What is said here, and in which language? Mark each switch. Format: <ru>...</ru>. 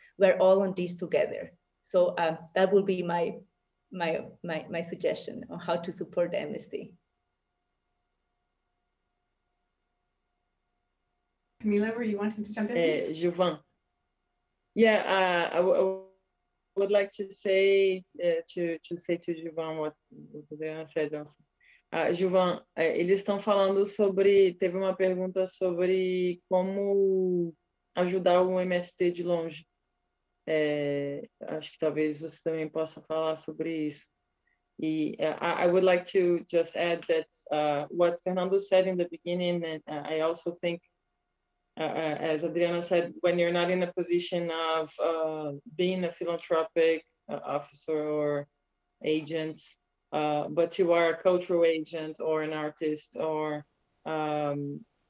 <en>We're all on this together. So that will be my suggestion on how to support the MST. Camila, were you wanting to jump in? Juvan. I would like to say to Juvan what Adriana said.</en> <pt>Juvan, eles estão falando sobre, teve uma pergunta sobre como ajudar o MST de longe. Acho que talvez você também possa falar sobre isso.</pt> <en>E I would like to just add that what Fernando said in the beginning, and I also think as Adriana said, when you're not in a position of being a philanthropic officer or agent, but you are a cultural agent or an artist or an</en>